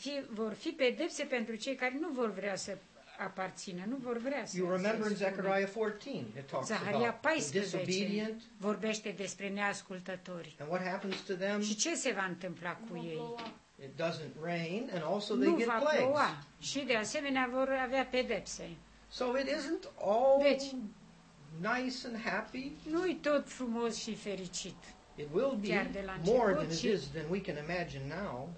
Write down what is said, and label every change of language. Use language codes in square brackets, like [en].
[ro] Vor fi pedepse pentru cei care nu vor vrea să aparțină, nu vor vrea să. [en] You remember in Zechariah 14, it talks [ro] Zaharia [en] about [ro] 14 [en] disobedient. [ro] Vorbește despre neascultători. [en] And what happens to them? [ro] Și ce se va întâmpla cu ei? [en] It doesn't rain and also they get plagues. [ro] Nu va ploua. Și de asemenea vor avea pedepse. [en] So it isn't all nice and happy. [ro] Nu e tot frumos și fericit. [en] It will be [ro] chiar de la început, [en] more than it is than we can imagine now.